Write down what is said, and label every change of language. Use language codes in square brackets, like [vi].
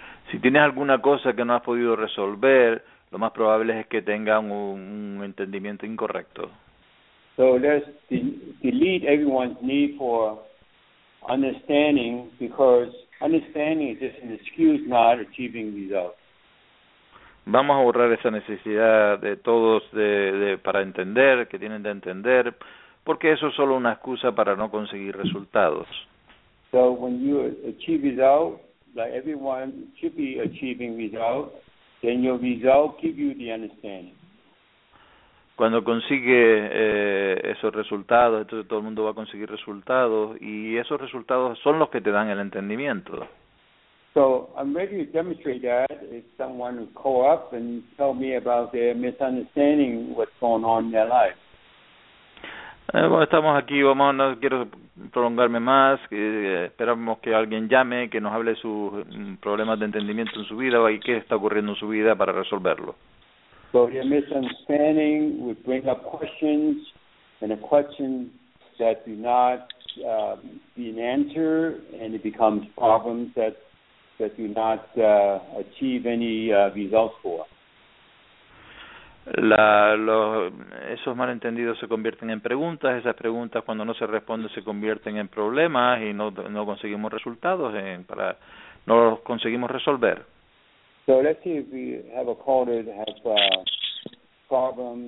[es] Si tienes alguna cosa que no has podido resolver, lo más probable es que tengan un entendimiento incorrecto. [en] So let's delete everyone's need for understanding, because understanding is just an excuse not achieving results. [es] Vamos a borrar esa necesidad de todos de para entender, que tienen de entender, porque eso es solo una excusa para no conseguir resultados. [en] So when you achieve results, like everyone should be achieving results, then your results give you the understanding. [es] Cuando consigue esos resultados, entonces todo el mundo va a conseguir resultados, y esos resultados son los que te dan el entendimiento. [en] So I'm ready to demonstrate that if someone would call up and tell me about their misunderstanding what's going on in their life. [es] Bueno, estamos aquí, vamos, no quiero prolongarme más, esperamos que alguien llame, que nos hable sus problemas de entendimiento en su vida y qué está ocurriendo en su vida para resolverlo. [en] So your misunderstanding would bring up questions, and a question that do not be an answer, and it becomes problems that do not achieve any results for. [es] Esos malentendidos se convierten en preguntas, esas preguntas cuando no se responden se convierten en problemas y no conseguimos resultados para no los conseguimos resolver. [en] So let's see if we have a caller that has problems.